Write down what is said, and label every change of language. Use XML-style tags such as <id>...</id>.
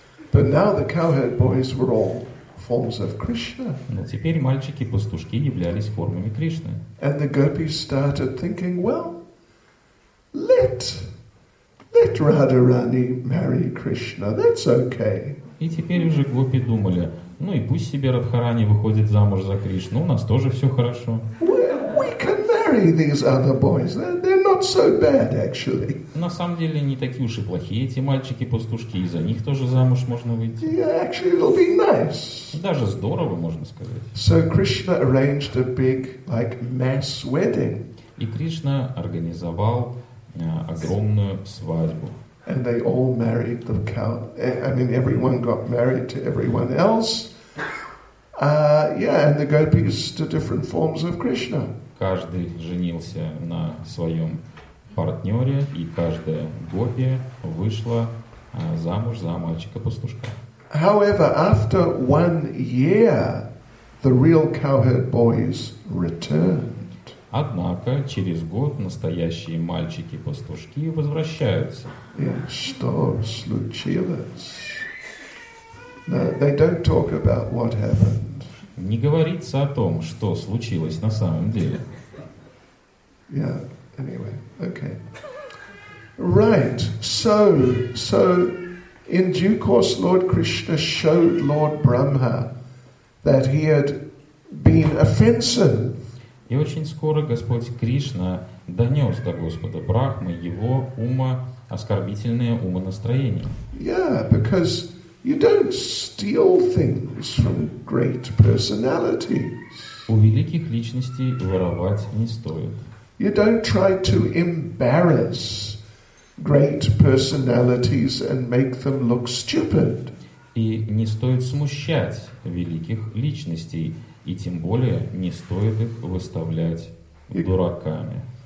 <en>But now the cowherd boys were all forms of Krishna.</en> <ru>Но теперь мальчики-пастушки являлись формами Кришны.</ru> <en>And the gopis started thinking, well, let Radharani marry Krishna. That's okay.</en> <ru>И теперь уже гопи думали, ну и пусть себе Радхарани выходит замуж за Кришну, у нас тоже все хорошо.</ru> <en>We can marry these other boys. They're not so bad, actually.</en> <ru>На самом деле не такие уж и плохие эти мальчики-пастушки, и за них тоже замуж можно выйти.</ru> <en>Yeah, actually, it'll be nice.</en> <ru>Даже здорово, можно сказать.</ru> <en>So Krishna arranged a big, like, mass wedding.</en> <ru>И Кришна организовал огромную свадьбу.</ru> <en>And they all married the cow. I mean, everyone got married to everyone else. And the gopis to different forms of Krishna.</en> <ru>Каждый женился на своем партнере, и каждая гопи вышла замуж за мальчика-пастушка.</ru> <en>However, after 1 year, the real cowherd boys returned.</en> <ru>Однако через год настоящие мальчики-пастушки возвращаются. Что случилось?</ru> <en>No, they don't talk about what happened.</en> <ru>Не говорится о том, что случилось на самом деле.</ru> <en>Yeah, anyway, okay. Right. So in due course Lord Krishna showed Lord Brahma that he had been offensive.</en> <ru>И очень скоро Господь Кришна донес до Господа Брахмы его оскорбительное умонастроение.</ru> <en>Yeah, because you don't steal things from great personalities.</en> <ru>У великих личностей воровать не стоит.</ru> <en>You don't try to embarrass great personalities and make them look stupid.</en> <ru>И не стоит смущать великих личностей, и тем более не стоит их выставлять дураками.</ru>